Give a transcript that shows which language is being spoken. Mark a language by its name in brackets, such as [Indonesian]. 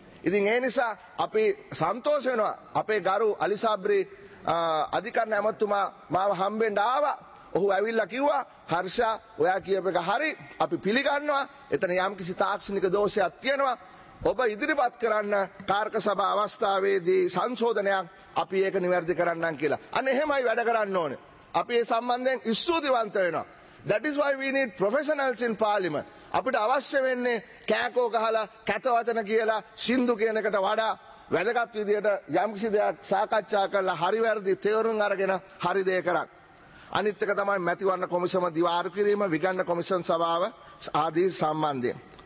[Sinhala] ඉතින් ඒ නිසා අපි සන්තෝෂ වෙනවා අපේ ගරු අලිසබ්‍රි අධිකරණ ඇමතුමා මාව හම්බෙන්න ආවා. ඔහු ඇවිල්ලා කිව්වා හර්ෂා ඔයා කියපු එක හරි, අපි පිළිගන්නවා. එතන යම්කිසි තාක්ෂණික දෝෂයක් තියෙනවා. ඔබ ඉදිරිපත් කරන්න කාර්ක සභා අවස්ථාවේදී සංශෝධනයක්, අපි ඒක නිවැරදි කරන්නම් කියලා. අනේ එහෙමයි වැඩ කරන්න ඕනේ. අපි ඒ සම්බන්ධයෙන් ස්තුතිවන්ත වෙනවා. [English] That is why we need professionals in parliament. [Sinhala] අපිට අවශ්‍ය වෙන්නේ කෑකෝ ගහලා කැත වචන කියලා සින්දු කියන එකට වඩා වැදගත් විදියට යම්කිසි දෙයක් සාකච්ඡා කරලා හරි වැරදි තේරුම් අරගෙන හරි දේ කරක්. අනිත් එක තමයි මැතිවරණ කොමිසම දිවාරු කිරීම, විගණන කොමිසම සභාව ආදී සම්බන්ධයෙන්.